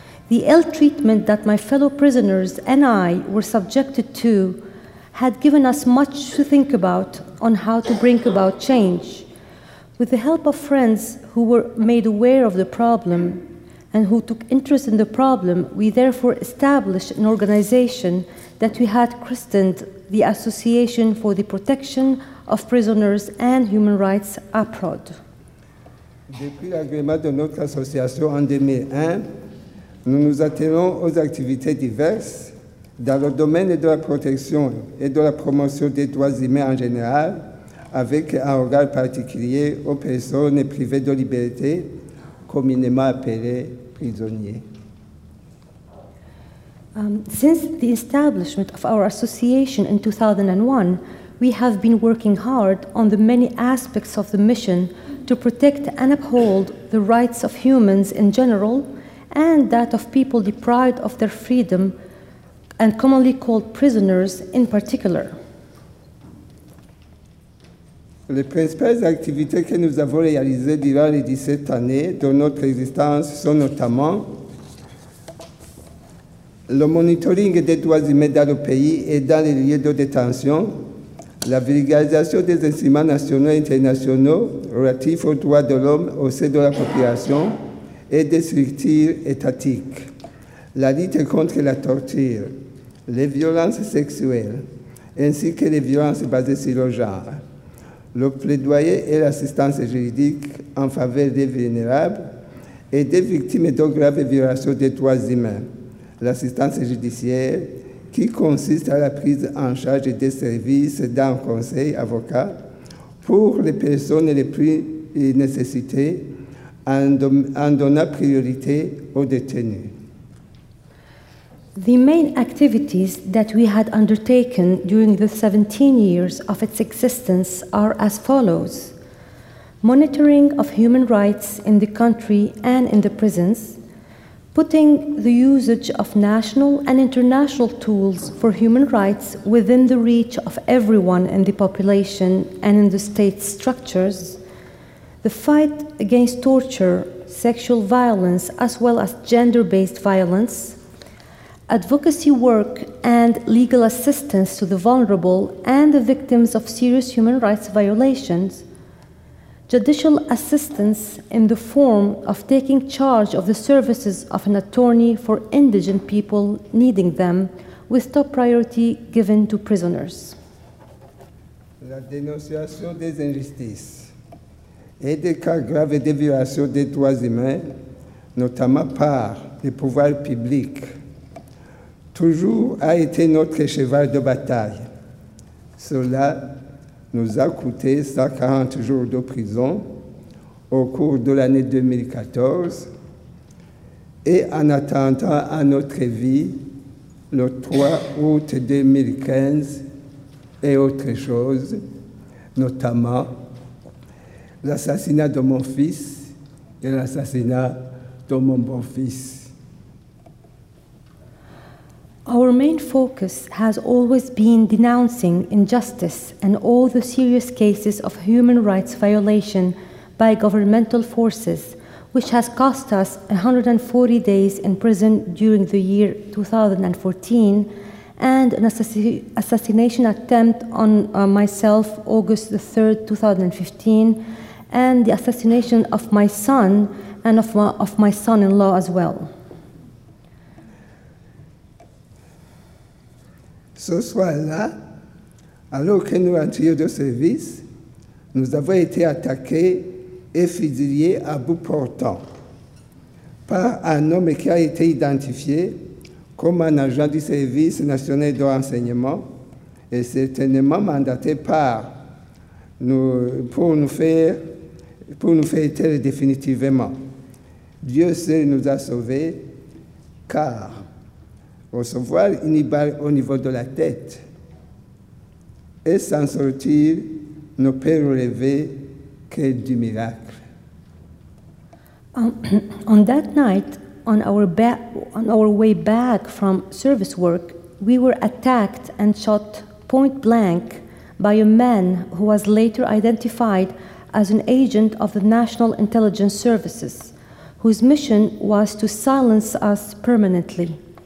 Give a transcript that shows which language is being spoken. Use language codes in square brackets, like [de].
[en] The ill treatment that my fellow prisoners and I were subjected to had given us much to think about on how to bring about change. With the help of friends who were made aware of the problem, and who took interest in the problem, we therefore established an organization that we had christened the Association for the Protection of Prisoners and Human Rights, APROD. [fr] Depuis l'agrément de notre association en 2001, nous nous attelons aux activités diverses dans le domaine de la protection et de la promotion des droits humains en général, avec un regard particulier aux personnes privées de liberté, communément appelées prisonniers. [en] Since the establishment of our association in 2001, we have been working hard on the many aspects of the mission to protect and uphold the rights of humans in general and that of people deprived of their freedom and commonly called prisoners in particular. [fr] Les principales activités que nous avons réalisées durant les 17 années de notre existence sont notamment le monitoring des droits humains dans le pays et dans les lieux de détention, la vulgarisation des instruments nationaux et internationaux relatifs aux droits de l'homme au sein de la population et des structures étatiques, la lutte contre la torture, les violences sexuelles, ainsi que les violences basées sur le genre, le plaidoyer et l'assistance juridique en faveur des vulnérables et des victimes de graves violations des droits humains, l'assistance judiciaire, qui consiste à la prise en charge des services d'un conseil avocat pour les personnes les plus nécessitées, en donnant priorité aux détenus. [en] The main activities that we had undertaken during the 17 years of its existence are as follows. Monitoring of human rights in the country and in the prisons, putting the usage of national and international tools for human rights within the reach of everyone in the population and in the state structures, the fight against torture, sexual violence, as well as gender-based violence, advocacy work and legal assistance to the vulnerable and the victims of serious human rights violations, judicial assistance in the form of taking charge of the services of an attorney for indigent people needing them, with top priority given to prisoners. [fr] La dénonciation des injustices et des cas graves de violation des droits humains, notamment par les pouvoirs publics, toujours a été notre cheval de bataille. Cela nous a coûté 140 jours de prison au cours de l'année 2014 et en attentat à notre vie le 3 août 2015 et autre chose, notamment l'assassinat de mon fils et l'assassinat de mon beau-fils. [en] Our main focus has always been denouncing injustice and all the serious cases of human rights violation by governmental forces, which has cost us 140 days in prison during the year 2014 and an assassination attempt on myself August the 3rd, 2015, and the assassination of my son and of my son-in-law as well. [fr] Ce soir-là, alors que nous rentrions de service, nous avons été attaqués et fusillés à bout portant par un homme qui a été identifié comme un agent du service national de renseignement et certainement mandaté pour nous faire taire définitivement. Dieu seul nous a sauvés, car recevoir une balle au niveau de la tête et s'en sortir ne peut relever que du miracle. [en] On that night, on our way back from service work, we were attacked and shot point blank by a man who was later identified as an agent of the National Intelligence Services, whose mission was to silence us permanently.